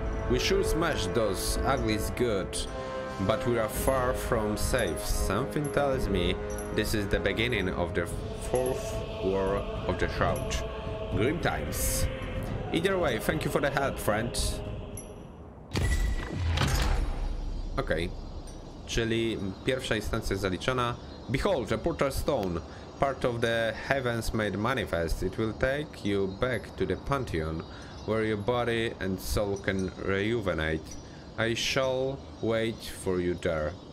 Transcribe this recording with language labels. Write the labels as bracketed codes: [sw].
[en] We sure smashed those uglies good, but we are far from safe. Something tells me this is the beginning of the fourth war of the Shroud. Grim times. Either way, thank you for the help, friend. Okay. [pl] Czyli pierwsza instancja zaliczona. [en] Behold, a portal stone, part of the heavens made manifest. It will take you back to the Pantheon, where your body and soul can rejuvenate. I shall wait for you there.